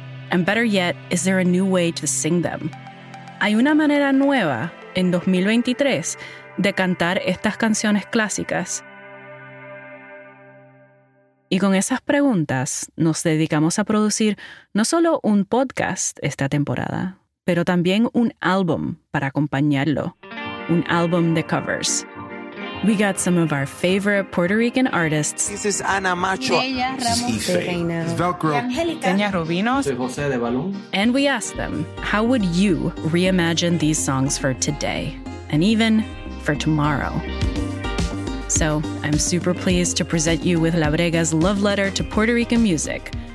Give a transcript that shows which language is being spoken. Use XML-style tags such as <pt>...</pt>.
<en>And better yet, is there a new way to sing them?</en> <es>¿Hay una manera nueva en 2023 de cantar estas canciones clásicas? Y con esas preguntas, nos dedicamos a producir no solo un podcast esta temporada, pero también un álbum para acompañarlo, un álbum de covers.</es> <en>We got some of our favorite Puerto Rican artists. This is Ana Macho.</en> <es>Ella, Ramos,</es> <en>this is Velcro. Angelica. Rubinos.</en> <es>Soy José de Balón.</es> <en>And we asked them, how would you reimagine these songs for today? And even for tomorrow? So, I'm super pleased to present you with La Brega's love letter to Puerto Rican music.</en>